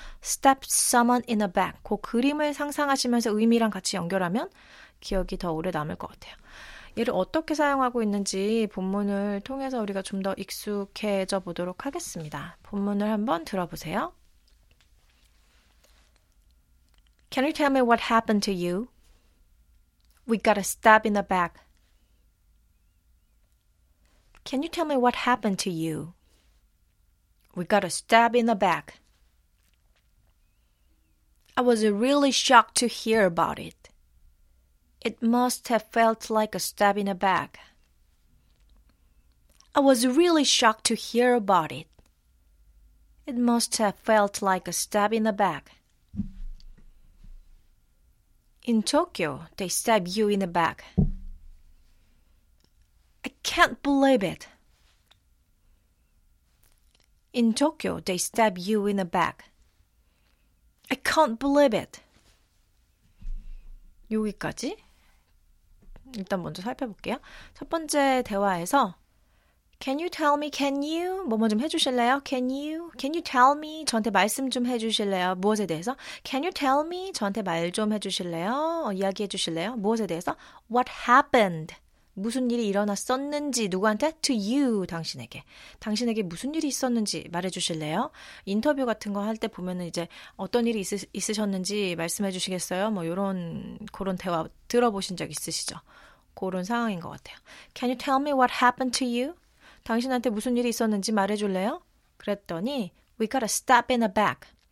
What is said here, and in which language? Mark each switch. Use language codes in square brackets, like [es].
[en] Stab someone in the back. [ko] 그 그림을 상상하시면서 의미랑 같이 연결하면 기억이 더 오래 남을 것 같아요. 얘를 어떻게 사용하고 있는지 본문을 통해서 우리가 좀 더 익숙해져 보도록 하겠습니다. 본문을 한번 들어보세요. [en] Can you tell me what happened to you? We got a stab in the back. Can you tell me what happened to you? We got a stab in the back. I was really shocked to hear about it. It must have felt like a stab in the back. I was really shocked to hear about it. It must have felt like a stab in the back. In Tokyo, they stab you in the back. I can't believe it. In Tokyo, they stab you in the back. I can't believe it. [ko] 여기까지 일단 먼저 살펴볼게요. 첫 번째 대화에서 [en] Can you tell me, can you? [ko] 뭐뭐 좀 해주실래요? [en] Can you? Can you tell me? [ko] 저한테 말씀 좀 해주실래요? 무엇에 대해서? [en] Can you tell me? [ko] 저한테 말 좀 해주실래요? 이야기 해주실래요? 무엇에 대해서? [en] What happened? [ko] 무슨 일이 일어났었는지 누구한테? [en] To you, [ko] 당신에게. 당신에게 무슨 일이 있었는지 말해주실래요? 인터뷰 같은 거 할 때 보면은 이제 어떤 일이 있으셨는지 말씀해 주시겠어요? 뭐 이런 그런 대화 들어보신 적 있으시죠? 그런 상황인 것 같아요. [en] Can you tell me what happened to you? [ko] 당신한테 무슨 일이 있었는지 말해줄래요? 그랬더니 [en] We got a stab in the back.